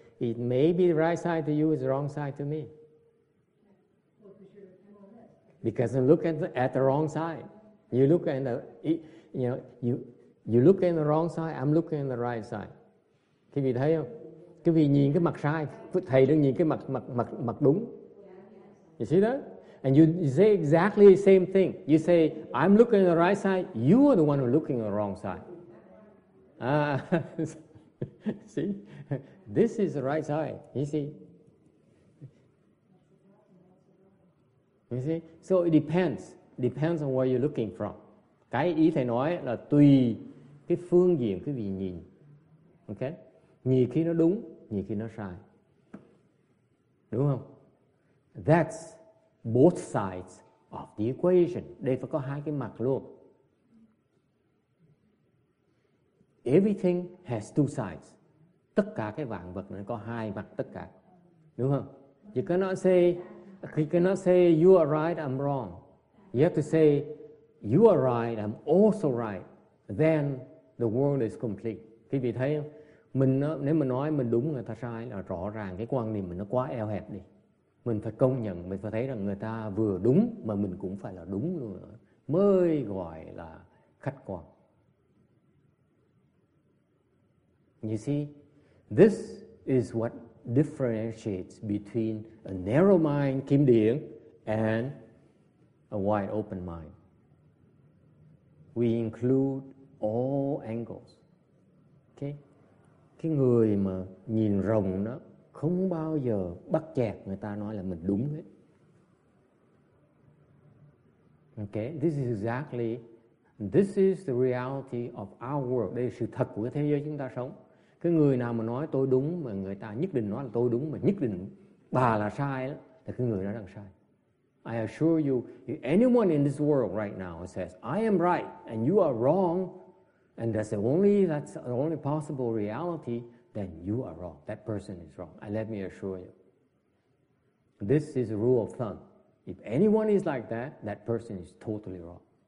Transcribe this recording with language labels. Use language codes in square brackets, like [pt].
[en] It may be the right side to you, it's the wrong side to me. Because I look at the wrong side. You look in the wrong side, I'm looking in the right side. [vi] Quý vị thấy không? Quý vị nhìn cái mặt sai, thầy đang nhìn cái mặt đúng. [en] You see that? And you say exactly the same thing. You say, I'm looking on the right side, you are the one who's looking on the wrong side. See? This is the right side, you see? You see? So it depends. Depends on where you're looking from. [vi] Cái ý thầy nói là tùy cái phương diện quý vị nhìn. Okay? Nhìn khi nó đúng, nhìn khi nó sai. Đúng không? [en] That's both sides of the equation. [vi] Đây phải có hai cái mặt luôn. [en] Everything has two sides. [vi] Tất cả cái vạn vật nó có hai mặt tất cả. Đúng không? [en] You cannot say you are right, I'm wrong. You have to say you are right, I'm also right. Then the world is complete. [vi] Quý vị thấy không? Mình nếu mà nói mình đúng người ta sai là rõ ràng cái quan niệm mình nó quá eo hẹp đi. Mình phải công nhận, mình phải thấy rằng người ta vừa đúng mà mình cũng phải là đúng luôn nữa. Mới gọi là khách quan. [en] You see, this is what differentiates between a narrow mind, kim điển, and a wide open mind. We include all angles. Okay? [vi] Cái người mà nhìn rộng đó, không bao giờ bắt chẹt người ta nói là mình đúng hết. [en] Okay, this is the reality of our world. [vi] Đây là sự thật của cái thế giới chúng ta sống. Cái người nào mà nói tôi đúng mà người ta nhất định nói là tôi đúng mà nhất định bà là sai đó, là cái người đó đang sai. [en] I assure you, if anyone in this world right now says I am right and you are wrong and that's the only possible reality, then you are wrong. That person is wrong. And let me assure you. This is a rule of thumb. If anyone is like that, that person is totally wrong.